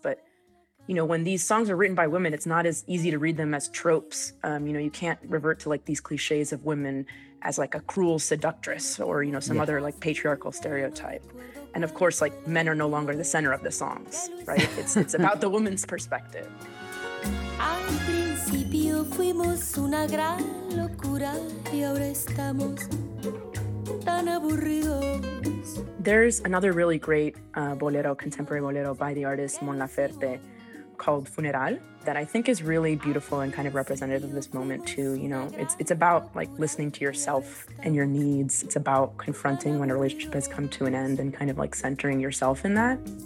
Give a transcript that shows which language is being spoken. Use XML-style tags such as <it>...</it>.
<en>But, you know, when these songs are written by women, it's not as easy to read them as tropes. You know, you can't revert to like these cliches of women as like a cruel seductress or, you know, some other like patriarchal stereotype. And of course, like men are no longer the center of the songs, right? It's about the woman's perspective.</en> <es>Fuimos una gran locura y ahora estamos tan aburridos.</es> <en>There's another really great bolero, contemporary bolero by the artist Mon Laferte called Funeral that I think is really beautiful and kind of representative of this moment too. You know, it's about like listening to yourself and your needs. It's about confronting when a relationship has come to an end and kind of like centering yourself in that.</en>